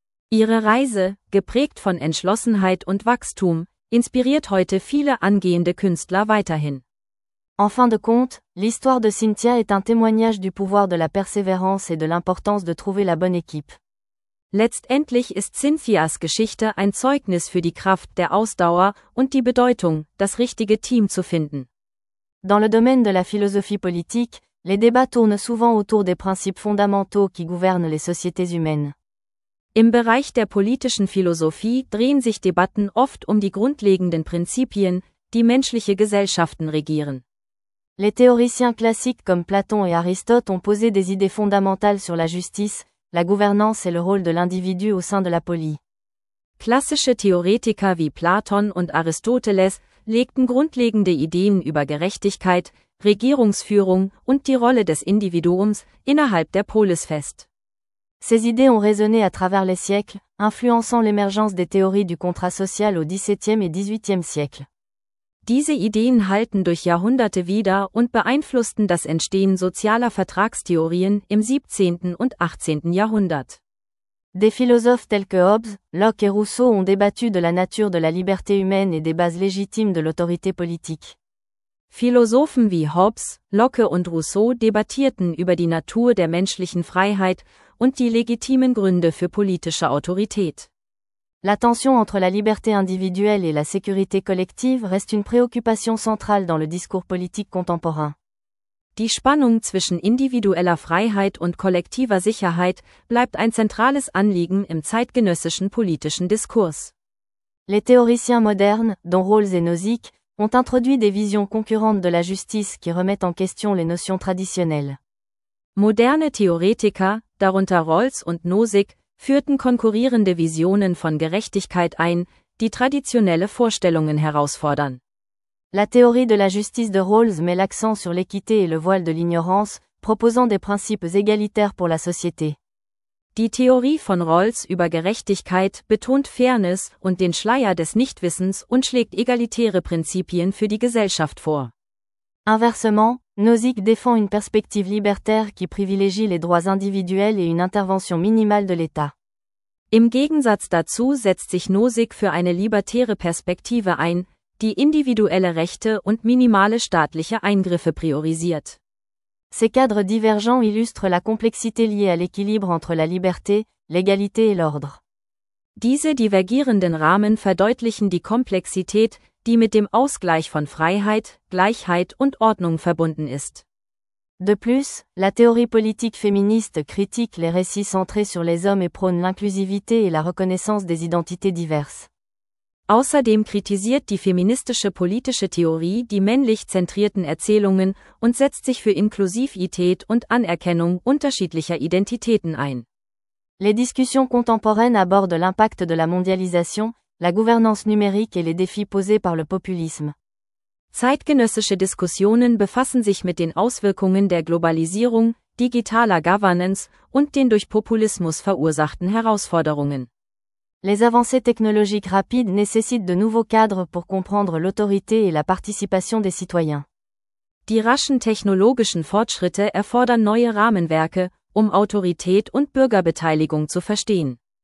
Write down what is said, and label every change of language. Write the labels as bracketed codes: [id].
[de] Ihre Reise, geprägt von Entschlossenheit und Wachstum, inspiriert heute viele angehende Künstler weiterhin. [fr] En fin de compte, l'histoire de Cynthia est un témoignage du pouvoir de la persévérance et de l'importance de trouver la bonne équipe. [de] Letztendlich ist Cynthias Geschichte ein Zeugnis für die Kraft der Ausdauer und die Bedeutung, das richtige Team zu finden. [fr] Dans le domaine de la philosophie politique, les débats tournent souvent autour des principes fondamentaux qui gouvernent les sociétés humaines. [de] Im Bereich der politischen Philosophie drehen sich Debatten oft die grundlegenden Prinzipien, die menschliche Gesellschaften regieren. [fr] Les théoriciens classiques comme Platon et Aristote ont posé des idées fondamentales sur la justice, la gouvernance et le rôle de l'individu au sein de la polis. [de] Klassische Theoretiker wie Platon und Aristoteles legten grundlegende Ideen über Gerechtigkeit, Regierungsführung und die Rolle des Individuums innerhalb der Polis fest. [fr] Ces idées ont résonné à travers les siècles, influençant l'émergence des théories du contrat social au XVIIe et XVIIIe siècle. [de] Diese Ideen halten durch Jahrhunderte wider und beeinflussten das Entstehen sozialer Vertragstheorien im 17. und 18. Jahrhundert. [fr] Des philosophes tels que Hobbes, Locke et Rousseau ont débattu de la nature de la liberté humaine et des bases légitimes de l'autorité politique. [de] Philosophen wie Hobbes, Locke und Rousseau debattierten über die Natur der menschlichen Freiheit und die legitimen Gründe für politische Autorität. [fr] La tension entre la liberté individuelle et la sécurité collective reste une préoccupation centrale dans le discours politique contemporain. [de] Die Spannung zwischen individueller Freiheit und kollektiver Sicherheit bleibt ein zentrales Anliegen im zeitgenössischen politischen Diskurs. [fr] Les théoriciens modernes, dont Rawls et Nozick, ont introduit des visions concurrentes de la justice qui remettent en question les notions traditionnelles. [de] Moderne Theoretiker, darunter Rawls und Nozick, führten konkurrierende Visionen von Gerechtigkeit ein, die traditionelle Vorstellungen herausfordern. [fr] La théorie de la justice de Rawls met l'accent sur l'équité et le voile de l'ignorance, proposant des principes égalitaires pour la société. [de] Die Theorie von Rawls über Gerechtigkeit betont Fairness und den Schleier des Nichtwissens und schlägt egalitäre Prinzipien für die Gesellschaft vor. [fr] Inversement, Nozick défend une perspective libertaire qui privilégie les droits individuels et une intervention minimale de l'État. [de] Im Gegensatz dazu setzt sich Nozick für eine libertäre Perspektive ein, die individuelle Rechte und minimale staatliche Eingriffe priorisiert. [fr] Ces cadres divergents illustrent la complexité liée à l'équilibre entre la liberté, l'égalité et l'ordre. [de] Diese divergierenden Rahmen verdeutlichen die Komplexität, die mit dem Ausgleich von Freiheit, Gleichheit und Ordnung verbunden ist. [fr] De plus, la théorie politique féministe critique les récits centrés sur les hommes et prône l'inclusivité et la reconnaissance des identités diverses. [de] Außerdem kritisiert die feministische politische Theorie die männlich zentrierten Erzählungen und setzt sich für Inklusivität und Anerkennung unterschiedlicher Identitäten ein. [fr] Les discussions contemporaines abordent l'impact de la mondialisation, la gouvernance numérique et les défis posés par le populisme. [de] Zeitgenössische Diskussionen befassen sich mit den Auswirkungen der Globalisierung, digitaler Governance und den durch Populismus verursachten Herausforderungen. [fr] Les avancées technologiques rapides nécessitent de nouveaux cadres pour comprendre l'autorité et la participation des citoyens. [de] Die raschen technologischen Fortschritte erfordern neue Rahmenwerke, Autorität und Bürgerbeteiligung zu verstehen.